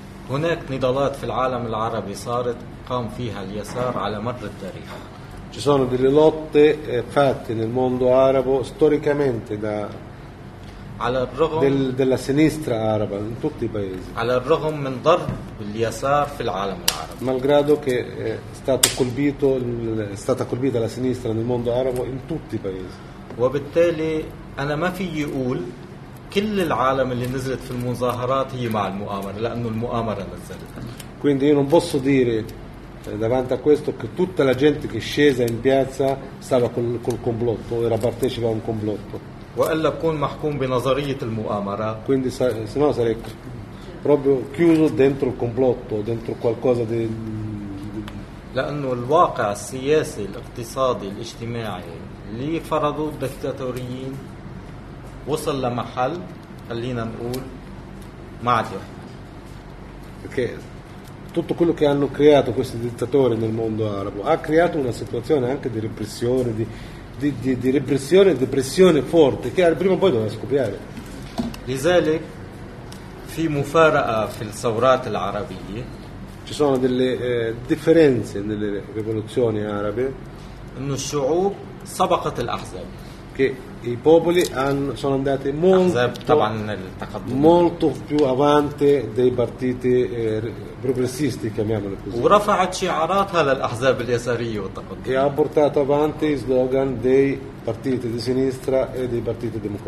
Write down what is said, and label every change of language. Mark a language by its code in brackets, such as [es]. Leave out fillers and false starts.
[ar] هناك نضالات في العالم العربي صارت قام فيها اليسار على مر التاريخ. [it] Ci sono delle lotte fatte nel mondo arabo storicamente da [ar] على الرغم [it] della sinistra araba in tutti i paesi. [ar] على الرغم من ضرب اليسار في العالم العربي. [it] Malgrado che è stata colpita la sinistra nel mondo arabo in tutti i paesi. [ar] وبالتالي انا ما في اقول كل العالم اللي نزلت في المظاهرات هي مع المؤامرة لأنه المؤامرة نزلت. [it] Quindi io non posso dire davanti a questo che tutta la gente che è scesa in piazza stava col complotto, era partecipa a un complotto. [ar] وإلا بكون محكوم بنظرية المؤامرة. [it] Quindi se no sarei proprio chiuso dentro il complotto, dentro qualcosa di. [ar] لأنه الواقع السياسي الاقتصادي الاجتماعي اللي فرضوا الدكتاتوريين وصل لمحل خلينا نقول معذره. Okay. [it] Tutto quello che hanno creato questi dittatori nel mondo arabo ha creato una situazione anche di repressione, di repressione e depressione forte che prima o poi doveva scoppiare. [ar] لذلك في مفارقة في الثورات العربية. [it] Ci sono delle differenze nelle rivoluzioni arabe. [ar] إنه الشعوب سبقت الأحزاب. [it] Che i popoli sono andati molto più avanti dei partiti progressisti, chiamiamoli così. E ha portato avanti i slogan dei partiti di sinistra e dei partiti